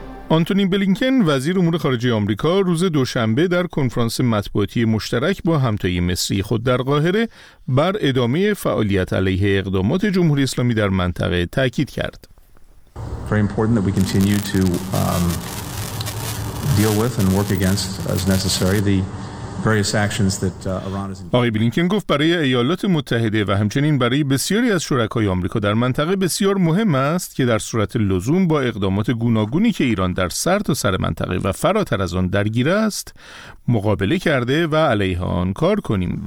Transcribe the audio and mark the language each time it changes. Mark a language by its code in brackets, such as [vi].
[fa] آنتونی بلینکن وزیر امور خارجه آمریکا روز دوشنبه در کنفرانس مطبوعاتی مشترک با همتای مصری خود در قاهره بر ادامه فعالیت علیه اقدامات جمهوری اسلامی در منطقه تاکید کرد. [en] Very important that we continue to deal with and work against as necessary the various actions that Iran is. [fa] آقای بلینکن گفت برای ایالات متحده و همچنین برای بسیاری از شرکای آمریکا در منطقه بسیار مهم است که در صورت لزوم با اقدامات گوناگونی که ایران در سرتاسر منطقه و فراتر از آن درگیر است مقابله کرده و علیه آن کار کنیم.